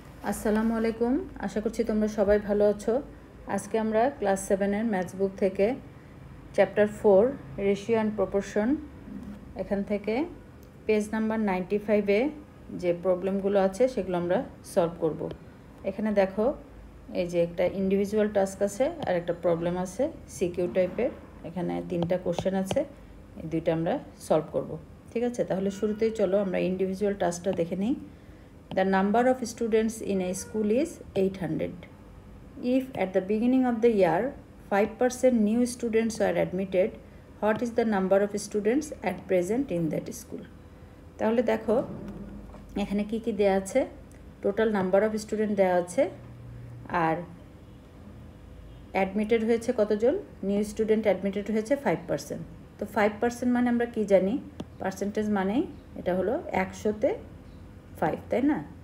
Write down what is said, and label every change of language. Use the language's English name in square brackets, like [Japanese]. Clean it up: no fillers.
[Bangla] আসসালামু আলাইকুম, আশা করছি তোমরা সবাই ভালো আছো। আজকে আমরা ক্লাস সেভেনের ম্যাথস বুক থেকে chapter four ratio and proportion, এখান থেকে পেজ নাম্বার 95-এ যে প্রবলেমগুলো আছে সেগুলো আমরা সলভ করব। এখানে দেখো, এই যে একটা ইন্ডিভিজুয়াল টাস্ক আছে আর একটা প্রবলেম আছে সিকিউ টাইপের, এখানে তিনটা কোশ্চেন আছে, এই দুইটা আমরা সলভ করব। ঠিক আছে, তাহলে শুরুতেই চলো আমরা ইন্ডিভিজুয়াল টাস্কটা দেখে নিই। [English] The number of students in a school is 800. If at the beginning of the year 5% new students are admitted, what is the number of students at present in that school? [Bangla] তাহলে দেখো এখানে কি কি দেয়া আছে। Total number of student দেয়া আছে আর admitted হয়েছে কতজন, নিউ স্টুডেন্ট অ্যাডমিটেড হয়েছে 5%। তো 5% মানে আমরা কি জানি, পার্সেন্টেজ মানেই এটা হলো 100-তে 5, তাই না?